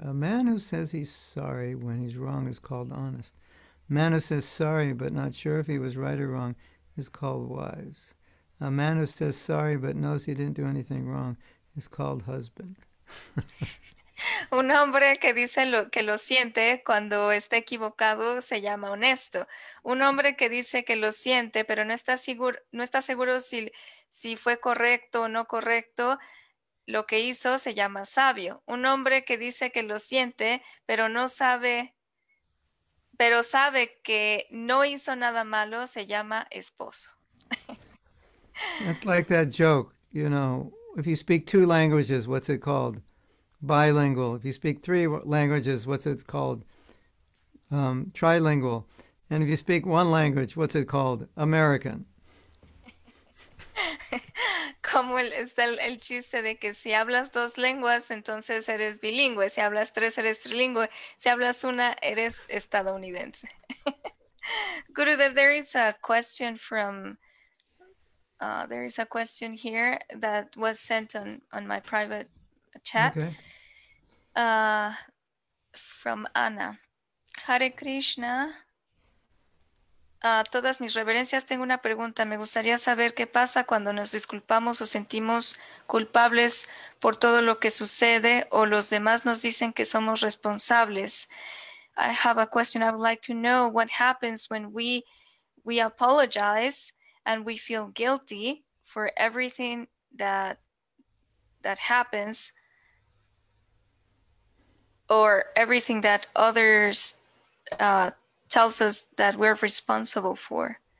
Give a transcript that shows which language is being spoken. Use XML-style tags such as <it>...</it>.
<en>A man who says he's sorry when he's wrong is called honest. A man who says sorry but not sure if he was right or wrong is called wise. A man who says sorry but knows he didn't do anything wrong is called husband.</en> <es>Un hombre que dice que lo siente cuando está equivocado se llama honesto. Un hombre que dice que lo siente pero no está seguro si fue correcto o no correcto lo que hizo se llama sabio. Un hombre que dice que lo siente pero no sabe pero sabe que no hizo nada malo, se llama esposo.</es> <en>It's like that joke, you know, if you speak two languages, what's it called? Bilingual. If you speak three languages, what's it called? Trilingual. And if you speak one language, what's it called? American.</en> <es>Como está el chiste de que si hablas dos lenguas, entonces eres bilingüe. Si hablas tres, eres trilingüe. Si hablas una, eres estadounidense.</es> <en>Gurudev, there is a question from... there is a question here that was sent on my private chat. Okay. From Anna. Hare Krishna.</en> <es>Todas mis reverencias, tengo una pregunta. Me gustaría saber qué pasa cuando nos disculpamos o sentimos culpables por todo lo que sucede o los demás nos dicen que somos responsables.</es> <en>I have a question. I would like to know what happens when we apologize and we feel guilty for everything that happens or everything that others tells us that we're responsible for.</en>